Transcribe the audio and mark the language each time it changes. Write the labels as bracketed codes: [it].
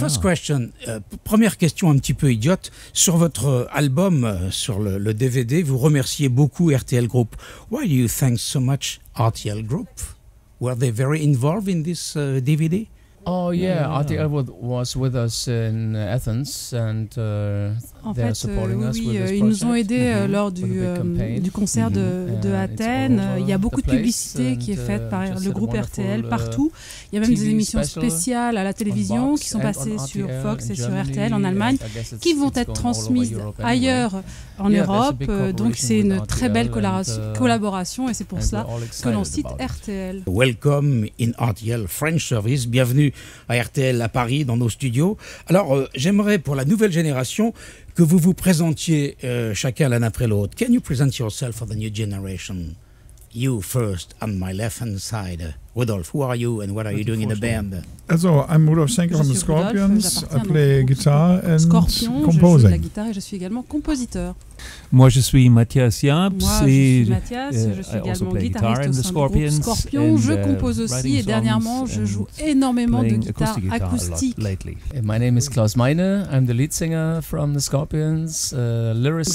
[en] First question, [fr] première question un petit peu idiote. Sur votre album, sur le DVD, vous remerciez beaucoup RTL Group. [en] Why do you thank so much RTL Group? Were they very involved in this DVD? Oh yeah, RTL was with us in Athens and they're supporting us with this project. [fr] Ils nous ont aidés lors du concert de Athènes. Il y a beaucoup de publicité qui est faite par le groupe RTL partout. Il y a même des émissions spéciales à la télévision qui sont passées sur Fox et sur RTL en Allemagne qui vont être transmises ailleurs en Europe. Donc c'est une très belle collaboration et c'est pour cela que l'on cite RTL. [en] Welcome in RTL French Service. [fr] Bienvenue à RTL à Paris, dans nos studios. Alors, j'aimerais pour la nouvelle génération que vous vous présentiez chacun l'un après l'autre. [en] Can you present yourself for the new generation? You first, on my left-hand side. Rudolf, who are you and what are you doing in the band? So, I'm Rudolf Schenker from the Scorpions. I play guitar and Scorpion, composing. [fr] Je joue de la guitare et je suis également compositeur. Moi, je suis Mathias Yamps. Moi, je suis Mathias, je suis également guitariste au sein du groupe Scorpion. Je compose aussi et dernièrement, je joue énormément de guitare acoustique. [en] My name is Klaus Meine. I'm the lead singer from the Scorpions. Lyricist,